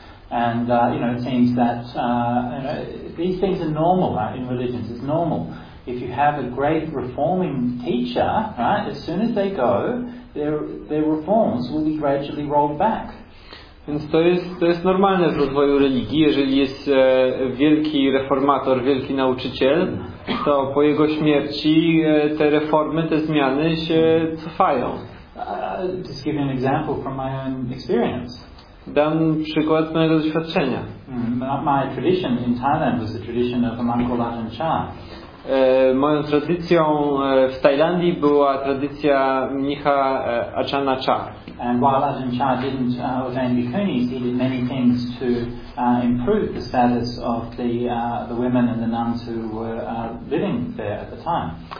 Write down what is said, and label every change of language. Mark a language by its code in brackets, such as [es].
[en] And you know, it seems that these things are normal, right, in religions. It's normal. If you have a great reforming teacher, right, as soon as they go, their reforms will be gradually rolled back. [pl] Więc to jest normalne w rozwoju religii. Jeżeli jest wielki reformator, wielki nauczyciel, to po jego śmierci te reformy, te zmiany się cofają. [en] Just give you an example from my own experience. [pl] Dam przykład mojego doświadczenia. [en] My tradition in Thailand was the tradition of a man called Ajahn Chah. [pl] Moją tradycją w Tajlandii była tradycja mnicha Ajahna Chah. [en] And while Ajahn Chah didn't ordain bhikkhunis, he did many things to improve the status of the women and the nuns who were living there at the time.